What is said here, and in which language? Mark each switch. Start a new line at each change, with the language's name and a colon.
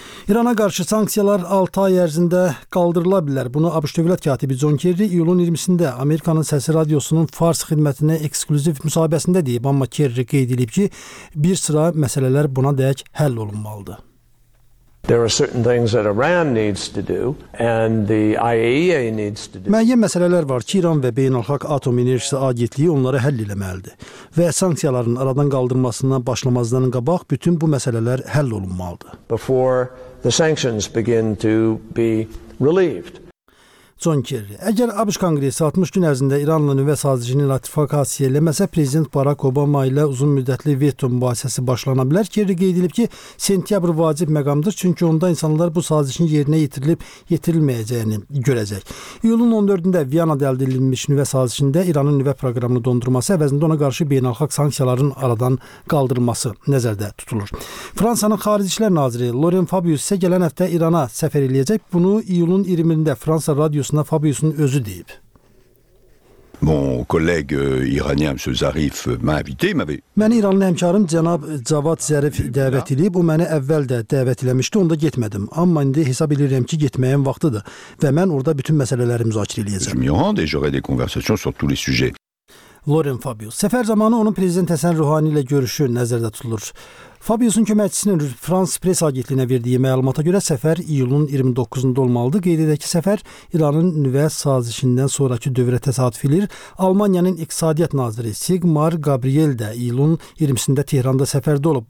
Azerbaijani: İrana qarşı sanksiyalar 6 ay ərzində qaldırıla bilər. Bunu ABŞ Dövlət Katibi John Kerry iyulun 20-sində Amerikanın Səsi Radiosunun Fars xidmətinə eksklüziv müsahibəsində deyib, amma Kerry qeyd edib ki, bir sıra məsələlər buna dək həll olunmalıdır.
English: There are certain things that Iran needs to do and the IAEA needs to do.
Azerbaijani: Müəyyən məsələlər var ki, İran və Beynəlxalq Atom Enerjisi Agentliyi onları həll etməlidir. Və sanksiyaların aradan qaldırılmasından başlamazdan qabaq bütün bu məsələlər həll olunmalıdır.
English: Before the sanctions begin to be relieved.
Azerbaijani: John Kerry, əgər ABŞ Konqresi 60 gün ərzində İranla nüvə sazişini ratifikasiya eləməsə, Prezident Barack Obama ilə uzun müddətli veto mübahisəsi başlana bilər. Kerry qeyd edib ki, sentyabr vacib məqamdır, çünki onda insanlar bu sazişin yerinə yetirilib yetirilməyəcəyini görəcək. İyulun 14-də Viyana'da əldə edilmiş nüvə sazişində İranın nüvə proqramını dondurması əvəzində ona qarşı beynəlxalq sanksiyaların aradan qaldırılması nəzərdə tutulur. Fransanın xarici işlər naziri Loren Fabius isə gələn həftə İrana səfər eləyəcək. Bunu iyulun 20-də Fransa radio Yusuf Fabius'un özü deyib.
French: Mon collègue iranien M. Zarif m'a invité, m'avait.
Azerbaijani: Məni İranlı həmkarım cənab Cavad Zarif dəvət edib. O məni əvvəl də dəvət eləmişdi, onda getmədim. Amma indi hesab edirəm ki, getməyim vaxtıdır və mən orada bütün məsələləri müzakirə eləyəcəm.
French: Je aurai des conversations sur tous les sujets.
Azerbaijani: Loren Fabius. Səfər zamanı onun prezident Həsən Ruhani ilə görüşü nəzərdə tutulur. Fabius'un köməkçisinin Frans Pres agentliyinə verdiyi məlumata görə səfər iyulun 29-da olmalıdır. Qeyd edək ki, səfər İranın nüvə sazişindən sonrakı dövrə təsadüf edir. Almaniyanın iqtisadiyyat naziri Sigmar Gabriel də iyulun 20-sində Tehranda səfərdə olub.